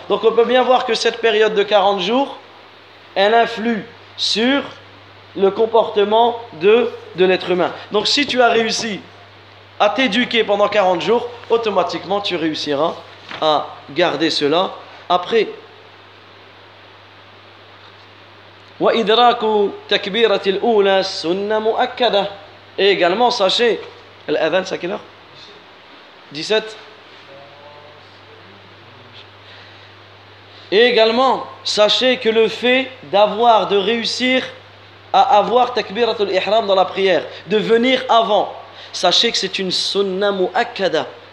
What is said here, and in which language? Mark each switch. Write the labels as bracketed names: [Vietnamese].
[French] Donc on peut bien voir que cette période de 40 jours, elle influe sur le comportement de l'être humain. Donc si tu as réussi à t'éduquer pendant 40 jours, automatiquement tu réussiras à garder cela après. [Arabic] وإدراك تكبيرة الأولى سنة مؤكدة. [French] Et également sachez, l'adhan c'est à quelle heure? 17. Et également sachez que le fait d'avoir, de réussir à avoir تكبيرة الإحرام dans la prière, de venir avant, sachez que c'est une سنة مؤكدة.